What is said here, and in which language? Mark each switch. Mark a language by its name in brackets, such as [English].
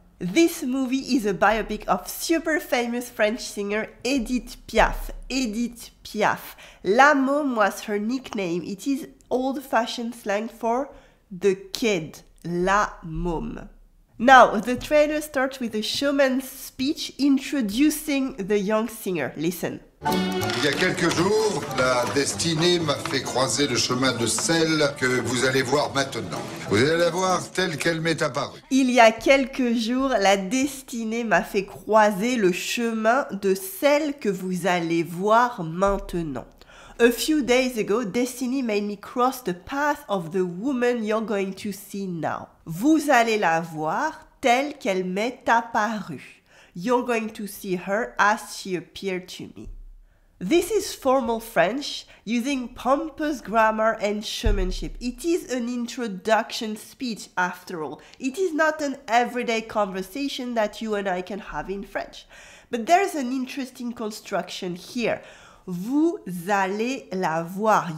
[English] This movie is a biopic of super famous French singer Edith Piaf. La Môme was her nickname. It is old-fashioned slang for the kid, la môme. Now, the trailer starts with a showman's speech introducing the young singer. Listen. [French] Il y a quelques jours, la destinée m'a fait croiser le chemin de celle que vous allez voir maintenant. Vous allez la voir telle qu'elle m'est apparue. Il y a quelques jours, la destinée m'a fait croiser le chemin de celle que vous allez voir maintenant. [English] A few days ago, destiny made me cross the path of the woman you're going to see now. [French] Vous allez la voir telle qu'elle m'est apparue. [English] You're going to see her as she appeared to me. This is formal French, using pompous grammar and showmanship. It is an introduction speech, after all. It is not an everyday conversation that you and I can have in French. [French] But there's an interesting construction here. Vous allez la voir.